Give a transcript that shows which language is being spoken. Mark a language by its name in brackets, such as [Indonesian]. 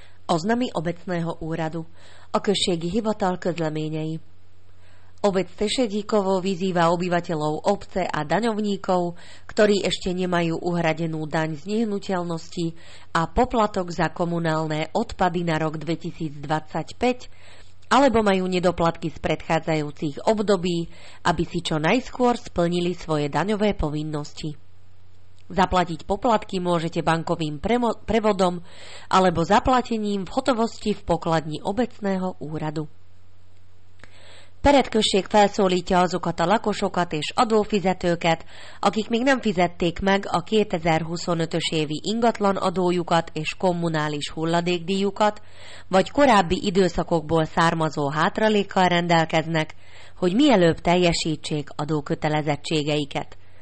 [Slovak] oznami obecného úradu o [Hungarian] községi Hivatal közleményei. [Slovak] Obec Tešedíkovo vyzýva obyvateľov obce a daňovníkov, ktorí ešte nemajú uhradenú daň z nehnuteľnosti a poplatok za komunálne odpady na rok 2025, alebo majú nedoplatky z predchádzajúcich období, aby si čo najskôr splnili svoje daňové povinnosti. Zaplatiť poplatky môžete bankovým prevodom alebo zaplatením v hotovosti v pokladni obecného úradu. [Hungarian] Peretkösség felszólítja azokat a lakosokat és adófizetőket, akik még nem fizették meg a 2025-ös évi ingatlan adójukat és kommunális hulladékdíjukat, vagy korábbi időszakokból származó hátralékkal rendelkeznek, hogy mielőbb teljesítsék adókötelezettségeiket.